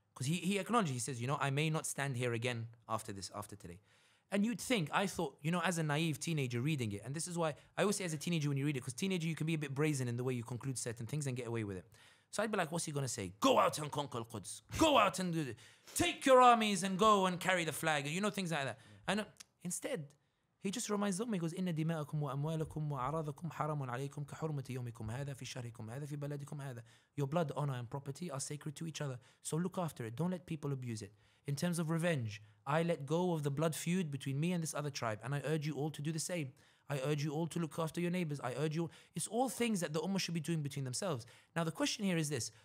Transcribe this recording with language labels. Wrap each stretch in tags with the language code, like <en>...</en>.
<en>Because he acknowledges, he says, you know, I may not stand here again after this, after today. And you'd think, I thought, you know, as a naive teenager reading it, and this is why I always say as a teenager when you read it, because teenager, you can be a bit brazen in the way you conclude certain things and get away with it. So I'd be like, what's he going to say? Go out and conquer Al-Quds. Go out and do this. Take your armies and go and carry the flag. You know, things like that. And instead, he just reminds them, he goes,</en> <ar>إِنَّ دِمَاءَكُمْ وَأَمْوَالَكُمْ وَأَعْرَاضَكُمْ حَرَمٌ عَلَيْكُمْ كَحُرْمَةِ يَوْمِكُمْ هَذَا فِي شَهْرِكُمْ هَذَا فِي بَلَدِكُمْ هَذَا.</ar> <en>Your blood, honor, and property are sacred to each other. So look after it. Don't let people abuse it. In terms of revenge, I let go of the blood feud between me and this other tribe, and I urge you all to do the same. I urge you all to look after your neighbors. I urge you. It's all things that the Ummah should be doing between themselves. Now, the question here is this.</en>